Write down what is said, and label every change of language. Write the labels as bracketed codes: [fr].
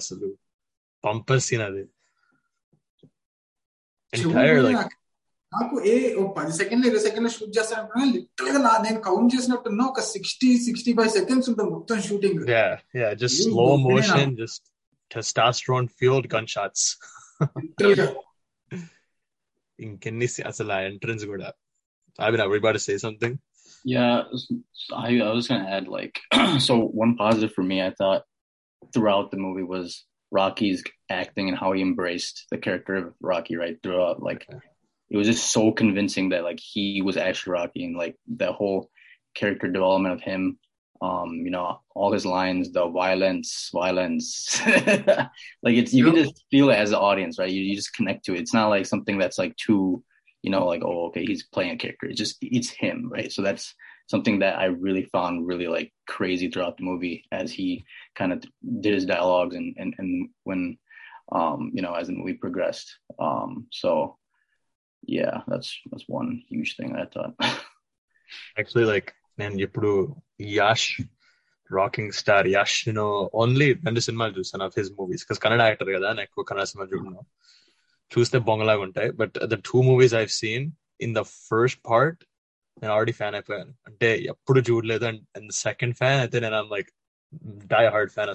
[te] అసలు bumper scene అది entire like నాకు ఏ 10 సెకండ్ 20 సెకండ్ షూట్ చేస్తాను లిటరల్ గా నేను కౌంట్ చేసినట్టు ఉన్నా ఒక 60-65 seconds ఉంటుంది మొత్తం shooting. [en] Yeah yeah just slow motion just testosterone fueled gunshots. In Kennedy [te] asala entrance kuda [en] Abhinav, were you about to say something? Yeah, I was going to add like so one positive for me I thought throughout the movie was Rocky's acting and how he embraced the character of Rocky right throughout, like it was just so convincing that like he was actually Rocky and like the whole character development of him. You know, all his lines, the violence, like it's, you can just feel it as an audience, right? You just connect to it. It's not like something that's like too, you know, like, oh, okay, he's playing a character. It's just, it's him, right? So that's something that I really found really like crazy throughout the movie as he kind of did his dialogues and when, you know, as the movie progressed. So yeah, that's one huge thing I thought. Actually, like, [te] నేను ఎప్పుడు ash rocking star ash నేను only రెండు సినిమాలు చూసాను of his movies because Kannada actor కదా నేను ఎక్కువ కన్నడ సినిమాలు చూడను. చూస్తే బొంగలాగా ఉంటాయి [en] but the two movies I have seen in the first part [te] నేను ఆల్రెడీ ఫ్యాన్ అయిపోయాను అంటే ఎప్పుడు చూడలేదు అండ్ ద సెకండ్ ఫ్యాన్ అయితే నేను లైక్ డై హార్డ్ ఫ్యాన్.